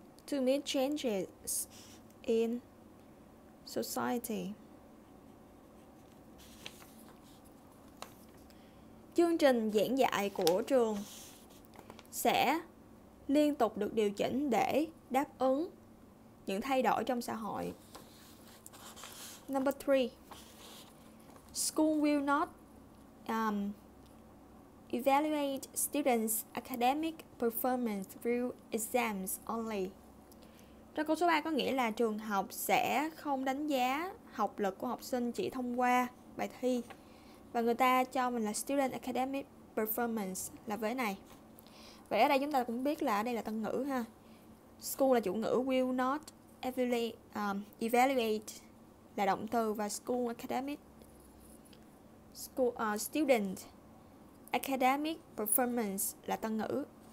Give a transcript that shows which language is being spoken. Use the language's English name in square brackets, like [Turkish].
[English] To meet changes in society. [Vietnamese] Chương trình giảng dạy của trường sẽ liên tục được điều chỉnh để đáp ứng những thay đổi trong xã hội. [English] Number 3. School will not evaluate students' academic performance through exams only. [Vietnamese] Trong câu số 3 có nghĩa là trường học sẽ không đánh giá học lực của học sinh chỉ thông qua bài thi. Và người ta cho mình là [English] student academic performance [Vietnamese] là với này. Vậy ở đây chúng ta cũng biết là ở đây là tân ngữ ha. School là chủ ngữ, [English] will not evaluate, [Vietnamese] evaluate là động từ, và [English] school academic school student academic performance [Vietnamese] là tân ngữ.